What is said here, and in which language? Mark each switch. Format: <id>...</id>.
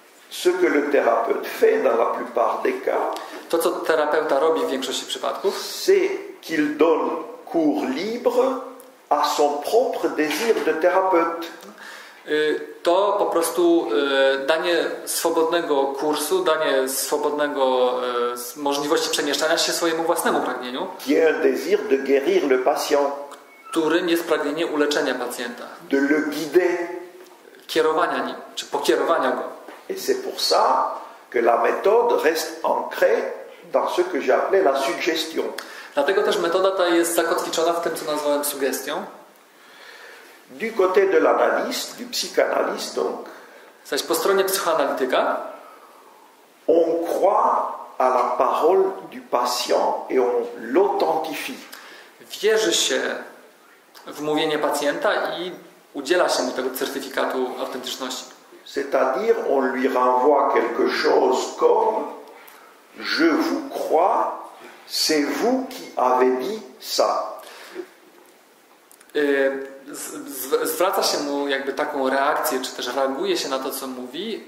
<fr>Ce que le thérapeute fait dans la plupart des cas,</fr> <pl>to co terapeuta robi w większości przypadków,</pl> <fr>c'est qu'il donne cours libre à son propre désir de thérapeute.</fr> <pl>To po prostu danie swobodnego kursu, danie swobodnego możliwości przemieszczania się swojemu własnemu pragnieniu.</pl> <fr>Qui est un désir de guérir le patient.</fr> <pl>Którym jest pragnienie uleczenia pacjenta.</pl> <fr>De le guider.</fr> <pl>Kierowania nim, czy pokierowania go.</pl> <fr>Et c'est pour ça que la méthode reste ancrée dans ce que j'ai appelé la suggestion.</fr> <pl>Dlatego też metoda ta jest zakotwiczona w tym, co nazwałem sugestią.</pl> <fr>Du côté de l'analyste, du psychanalyste donc.</fr> <pl>Zaś po stronie psychoanalityka.</pl> <fr>On croit à la parole du patient et on l'authentifie.</fr> <pl>Wierzy się wmówienie pacjenta i udziela się mu tego certyfikatu autentyczności.</pl> <fr>C'est-à-dire, on lui renvoie quelque chose comme « Je vous crois, c'est vous qui avez dit ça. »</fr> <pl>Zwraca się mu jakby taką reakcję, czy też reaguje się na to, co mówi.</pl>